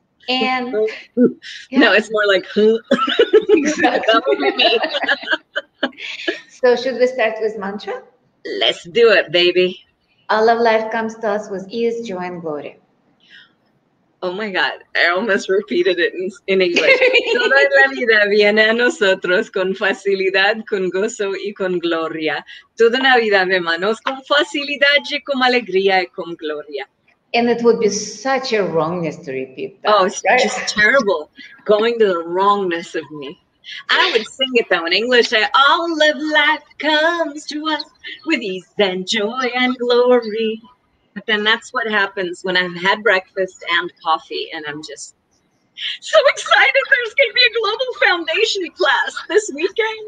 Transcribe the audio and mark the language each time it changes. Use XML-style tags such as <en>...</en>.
<en>And yeah. No, it's more like, exactly. So, should we start with mantra? Let's do it, baby. All of life comes to us with ease, joy, and glory. Oh my God, I almost repeated it in English.</en> <es>Toda la vida viene a nosotros con facilidad, con gozo y con gloria. Toda la vida de manos con facilidad y con alegría y con gloria.</es> <en>And it would be such a wrongness to repeat that. Oh, it's just terrible. Going to the wrongness of me. I would sing it though in English. All of life comes to us with ease and joy and glory. But then that's what happens when I've had breakfast and coffee and I'm just so excited there's going to be a global foundation class this weekend.</en>